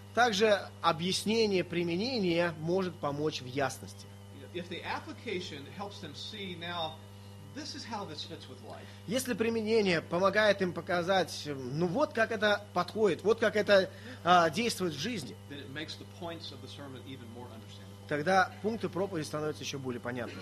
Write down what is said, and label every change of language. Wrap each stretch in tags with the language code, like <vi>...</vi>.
<ru>Также объяснение применения может помочь в ясности.</ru> <en>If the application helps them see now, this is how this fits with life.</en> <ru>Если применение помогает им показать, ну вот как это подходит, вот как это действует в жизни.</ru> <en>Then it makes the points of the sermon even more understandable.</en> <ru>Тогда пункты проповеди становятся еще более понятными.</ru>